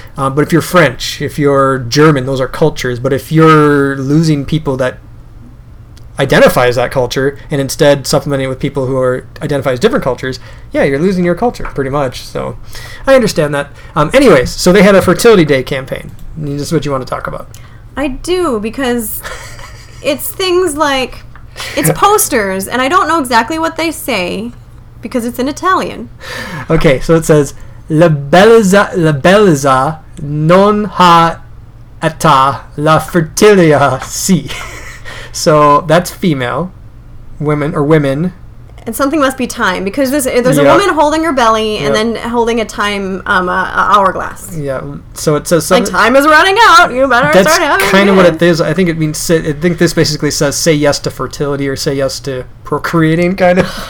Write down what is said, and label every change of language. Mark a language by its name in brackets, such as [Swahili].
[English] But if you're French, if you're German, those are cultures. But if you're losing people that identify as that culture and instead supplementing it with people who identify as different cultures, yeah, you're losing your culture pretty much. So I understand that. Anyways, so they had a Fertility Day campaign. This is what you want to talk about. I do, because it's things like... It's posters, and I don't know exactly what they say, because it's in Italian. Okay, so it says, [Italian] la bellezza non ha età, la fertilità sì. [English] So, that's female, women, or women. And something must be time, because there's a woman holding her belly, and then holding a time, a hourglass. Yeah, so it says something. Like, time is running out, you better start having. That's kind of what it is. I think it means, I think this basically says, say yes to fertility, or say yes to procreating, kind of.